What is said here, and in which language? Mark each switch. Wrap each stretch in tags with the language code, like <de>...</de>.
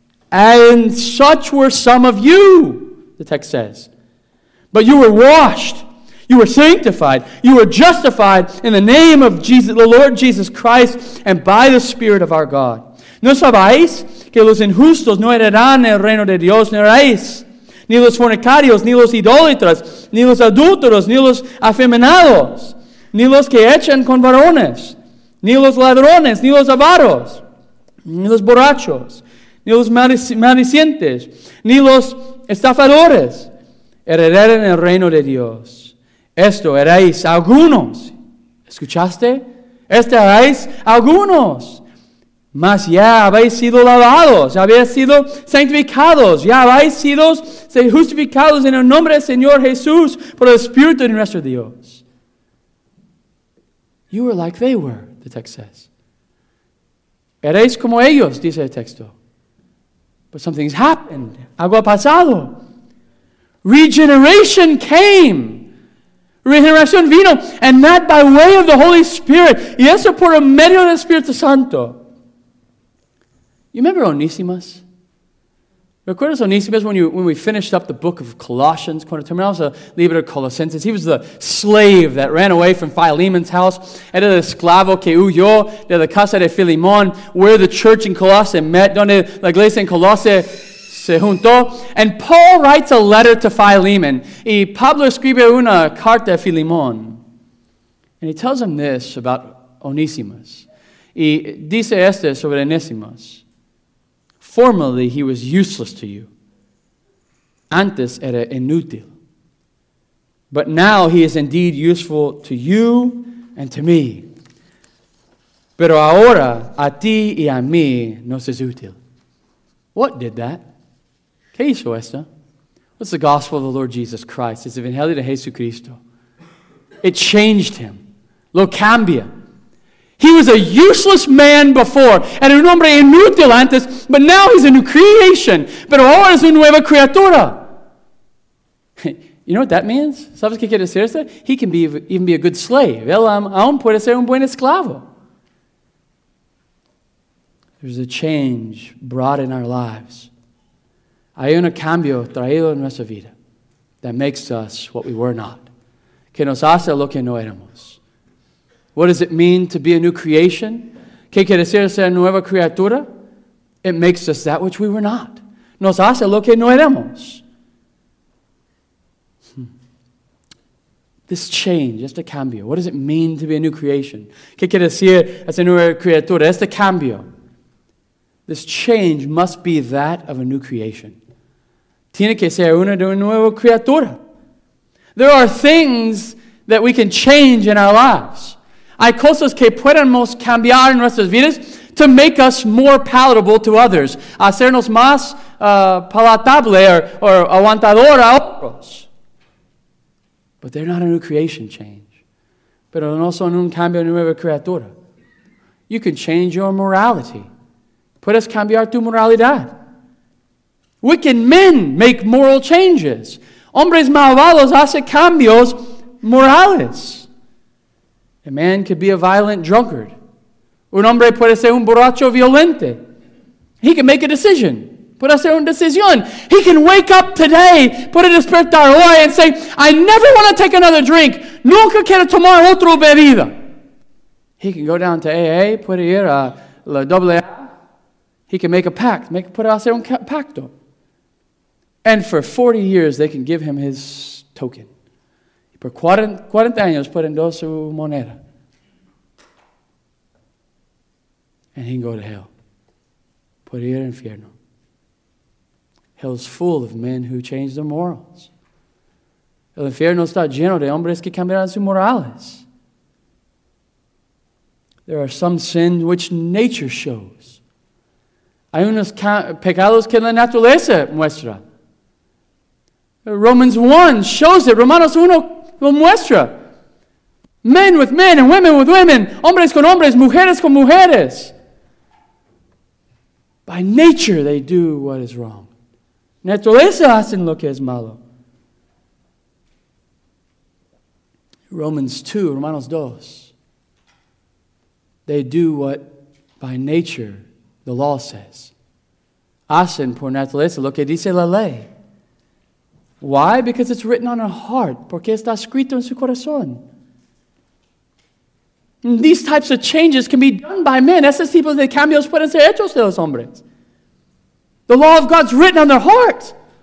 <en>And such were some of you, the text says. But you were washed. You were sanctified. You were justified in the name of Jesus, the Lord Jesus Christ, and by the Spirit of our God.</en> <es>¿No sabéis que los injustos no heredarán el reino de Dios? ¿No erais? Ni los fornicarios, ni los idólatras, ni los adúlteros, ni los afeminados, ni los que echan con varones, ni los ladrones, ni los avaros, ni los borrachos, ni los maldicientes, ni los estafadores heredarán el reino de Dios. Esto erais algunos. ¿Escuchaste? Esto erais algunos. Mas ya habéis sido lavados, ya habéis sido sanctificados, ya habéis sido justificados en el nombre del Señor Jesús por el Espíritu de nuestro Dios.</es> <en>You were like they were, the text says.</en> <es>Erais como ellos, dice el texto.</es> <en>But something's happened.</en> <es>Algo ha pasado.</es> <en>Regeneration came.</en> <es>Regeneración vino,</es> <en>and that by way of the Holy Spirit.</en> <es>Y eso por el medio del Espíritu Santo.</es> <en>You remember Onesimus?</en> <es>¿Recuerdas</es> <en>Onesimus when we finished up the book of Colossians?</en> <es>Cuando terminamos el libro de Colosenses,</es> <en>he was the slave that ran away from Philemon's house.</en> <es>Era el esclavo que huyó de la casa de Filemón,</es> <en>where the church in Colossae met,</en> <es>donde la iglesia en Colossae se juntó.</es> <en>And Paul writes a letter to Philemon.</en> <es>Y Pablo escribe una carta a Filemón.</es> <en>And he tells him this about Onesimus.</en> <es>Y dice este sobre Onesimus.</es> <en>Formerly he was useless to you.</en> <es>Antes era inútil.</es> <en>But now he is indeed useful to you and to me.</en> <es>Pero ahora a ti y a mí nos es útil.</es> <en>What did that?</en> <es>¿Qué hizo esto?</es> <en>What's the gospel of the Lord Jesus Christ? It's the</en> <es>Evangelio de Jesucristo.</es> <en>It changed him.</en> <es>Lo cambia.</es> <en>He was a useless man before, and</en> <es>un hombre inútil antes,</es> <en>but now he's a new creation.</en> <es>Pero ahora es una nueva criatura.</es> <en>You know what that means?</en> <es>¿Sabes qué quiere decir esto?</es> <en>He can be even be a good slave.</en> <es>Él aún puede ser un buen esclavo.</es> <en>There's a change brought in our lives.</en> <es>Hay un cambio traído en nuestra vida</es> <en>that makes us what we were not.</en> <es>Que nos hace lo que no éramos.</es> <en>What does it mean to be a new creation?</en> <es>¿Qué quiere decir ser nueva criatura?</es> <en>It makes us that which we were not.</en> <es>Nos hace lo que no éramos.</es> <en>This change,</en> <es>este cambio.</es> <en>What does it mean to be a new creation?</en> <es>¿Qué quiere decir ser nueva criatura? Este cambio.</es> <en>This change must be that of a new creation.</en> <es>Tiene que ser una de una nueva criatura.</es> <en>There are things that we can change in our lives.</en> <es>Hay cosas que podemos cambiar en nuestras vidas.</es> <en>to make us more palatable to others.</en> <es>Hacernos más palatable or aguantador a otros.</es> <en>But they're not a new creation change.</en> <es>Pero no son un cambio de nueva criatura.</es> <en>You can change your morality.</en> <es>Puedes cambiar tu moralidad.</es> <en>Wicked men make moral changes.</en> <es>Hombres malvados hacen cambios morales.</es> <en>A man could be a violent drunkard.</en> <es>Un hombre puede ser un borracho violente.</es> <en>He can make a decision.</en> <es>Puede hacer una decisión.</es> <en>He can wake up today,</en> <es>puede despertar hoy,</es> <en>and say, I never want to take another drink.</en> <es>Nunca quiero tomar otra bebida.</es> <en>He can go down to AA,</en> <es>puede ir a la AA.</es> <en>He can make a pact.</en> <es>Puede hacer un pacto.</es> <en>And for 40 years, they can give him his token.</en> <es>Por 40 años, pueden dar su moneda.</es> <en>And he can go to hell.</en> <es>Puede ir al infierno.</es> <en>Hell is full of men who change their morals.</en> <es>El infierno está lleno de hombres que cambiaron sus morales.</es> <en>There are some sins which nature shows.</en> <es>Hay unos pecados que la naturaleza muestra.</es> <en>Romans 1 shows it.</en> <es>Romanos 1 lo muestra.</es> <en>Men with men and women with women.</en> <es>Hombres con hombres, mujeres con mujeres.</es> <en>By nature, they do what is wrong.</en> <es>Naturaleza hacen lo que es malo. Romanos 2.</es> <en>They do what, by nature, the law says.</en> <es>Hacen por naturaleza lo que dice la ley.</es> <en>Why? Because it's written on our heart.</en> <es>Porque está escrito en su corazón.</es> <en>And these types of changes can be done by men.</en> <es>Esos tipos de cambios pueden ser hechos de los hombres.</es> <en>The law of God's written on their heart.</en>